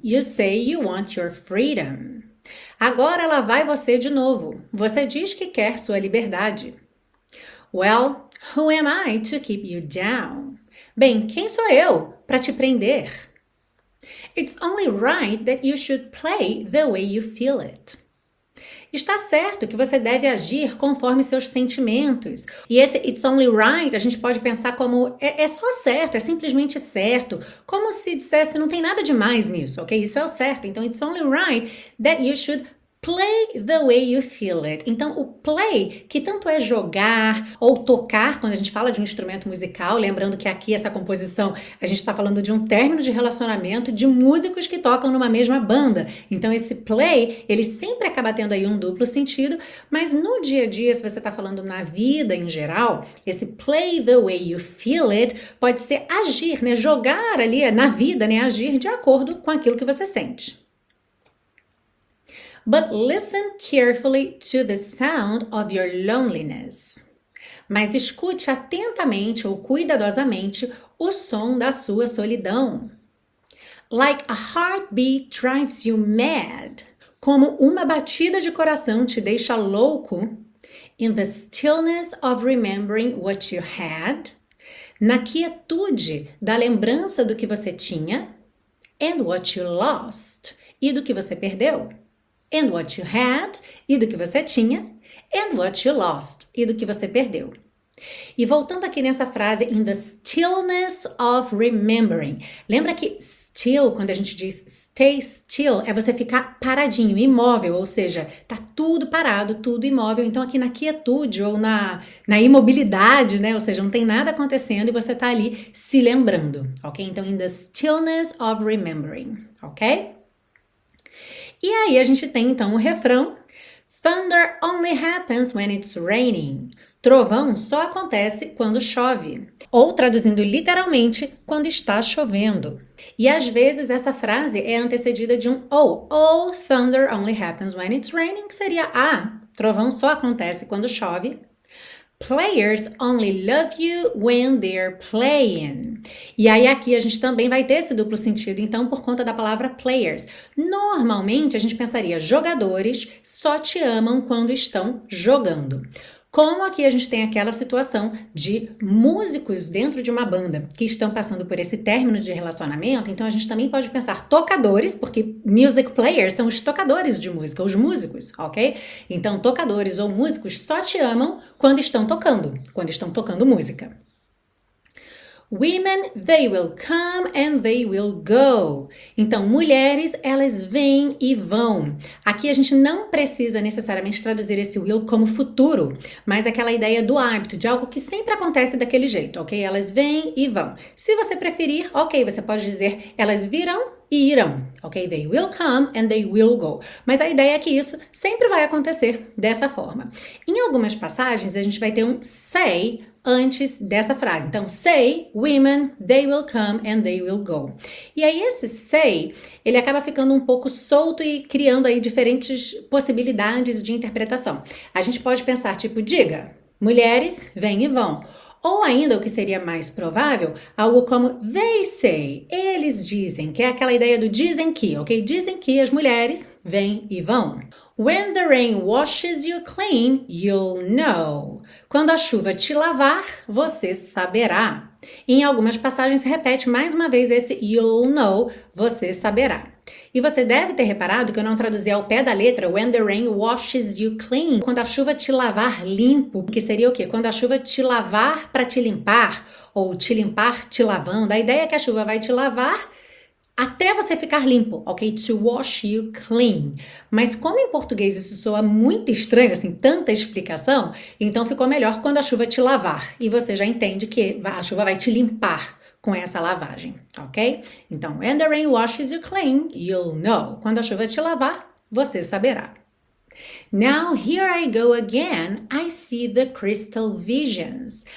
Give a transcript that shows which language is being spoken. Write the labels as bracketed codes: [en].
[en] You say you want your freedom. [pt] Agora lá vai você de novo. Você diz que quer sua liberdade. [en] Well, who am I to keep you down? [pt] Bem, quem sou eu para te prender? [en] It's only right that you should play the way you feel it. [pt] Está certo que você deve agir conforme seus sentimentos. E esse [en] it's only right [pt] a gente pode pensar como é só certo, é simplesmente certo. Como se dissesse não tem nada demais nisso, ok? Isso é o certo. [en] Então, it's only right that you should play the way you feel it. [pt] Então, o play, que tanto é jogar ou tocar, quando a gente fala de um instrumento musical, lembrando que aqui essa composição, a gente está falando de um término de relacionamento de músicos que tocam numa mesma banda. Então, esse play, ele sempre acaba tendo aí um duplo sentido, mas no dia a dia, se você está falando na vida em geral, esse [en] play the way you feel it [pt] pode ser agir, né? Jogar ali na vida, né? Agir de acordo com aquilo que você sente. [en] But listen carefully to the sound of your loneliness. [pt] Mas escute atentamente ou cuidadosamente o som da sua solidão. [en] Like a heartbeat drives you mad. [pt] Como uma batida de coração te deixa louco. [en] In the stillness of remembering what you had. [pt] Na quietude da lembrança do que você tinha. [en] And what you lost. [pt] E do que você perdeu. [en] And what you had, [pt] e do que você tinha, [en] and what you lost, [pt] e do que você perdeu. E voltando aqui nessa frase, [en] in the stillness of remembering. [pt] Lembra que still, quando a gente diz [en] stay still, [pt] é você ficar paradinho, imóvel, ou seja, tá tudo parado, tudo imóvel. Então aqui na quietude ou na imobilidade, né? Ou seja, não tem nada acontecendo e você tá ali se lembrando, ok? [en] Então in the stillness of remembering, ok? [pt] E aí, a gente tem então o refrão: [en] Thunder only happens when it's raining. [pt] Trovão só acontece quando chove, ou traduzindo literalmente, quando está chovendo. E às vezes essa frase é antecedida de um ou. [en] All thunder only happens when it's raining, [pt] que seria a. Trovão só acontece quando chove. [en] Players only love you when they're playing. [pt] E aí aqui a gente também vai ter esse duplo sentido, então, por conta da palavra players. Normalmente a gente pensaria jogadores só te amam quando estão jogando. Como aqui a gente tem aquela situação de músicos dentro de uma banda que estão passando por esse término de relacionamento, então a gente também pode pensar tocadores, porque [en] music players [pt] são os tocadores de música, os músicos, ok? Então, tocadores ou músicos só te amam quando estão tocando música. [en] Women, they will come and they will go. [pt] Então, mulheres, elas vêm e vão. Aqui a gente não precisa necessariamente traduzir esse will como futuro, mas aquela ideia do hábito, de algo que sempre acontece daquele jeito, ok? Elas vêm e vão. Se você preferir, ok, você pode dizer elas virão e irão, ok? [en] They will come and they will go. [pt] Mas a ideia é que isso sempre vai acontecer dessa forma. Em algumas passagens, a gente vai ter um say antes dessa frase. Então, [en] say, women, they will come and they will go. [pt] E aí, esse say, ele acaba ficando um pouco solto e criando aí diferentes possibilidades de interpretação. A gente pode pensar, tipo, diga, mulheres, vêm e vão. Ou ainda, o que seria mais provável, algo como [en] they say, [pt] eles dizem, que é aquela ideia do dizem que, ok? Dizem que as mulheres vêm e vão. [en] When the rain washes you clean, you'll know. [pt] Quando a chuva te lavar, você saberá. Em algumas passagens, repete mais uma vez esse [en] you'll know, [pt] você saberá. E você deve ter reparado que eu não traduzi ao pé da letra [en] when the rain washes you clean, [pt] quando a chuva te lavar limpo, que seria o quê? Quando a chuva te lavar para te limpar, ou te limpar te lavando. A ideia é que a chuva vai te lavar até você ficar limpo, ok? [en] To wash you clean. [pt] Mas como em português isso soa muito estranho, assim, tanta explicação, então ficou melhor quando a chuva te lavar. E você já entende que a chuva vai te limpar com essa lavagem, ok? Então, [en] when the rain washes you clean, you'll know. [pt] Quando a chuva te lavar, você saberá. [en] Now here I go again, I see the crystal visions.